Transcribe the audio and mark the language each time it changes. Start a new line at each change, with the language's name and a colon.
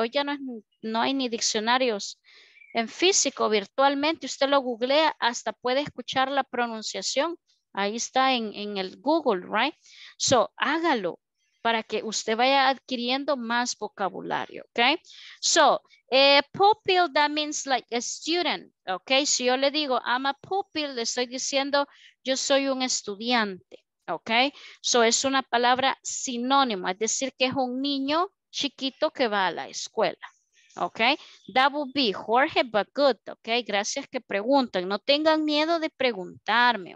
Spanish: Hoy ya no hay ni diccionarios en físico, virtualmente. Usted lo googlea, hasta puede escuchar la pronunciación. Ahí está en el Google,
English: right?
Spanish: So, hágalo para que usted vaya adquiriendo más vocabulario, okay?
English: So, pupil, that means like a student, okay?
Spanish: Si yo le digo,
English: I'm a pupil,
Spanish: le estoy diciendo, yo soy un estudiante. Ok, so es una palabra sinónimo, es decir que es un niño chiquito que va a la escuela. Ok,
English: that would be Jorge, but good.
Spanish: Ok, gracias que preguntan, no tengan miedo de preguntarme.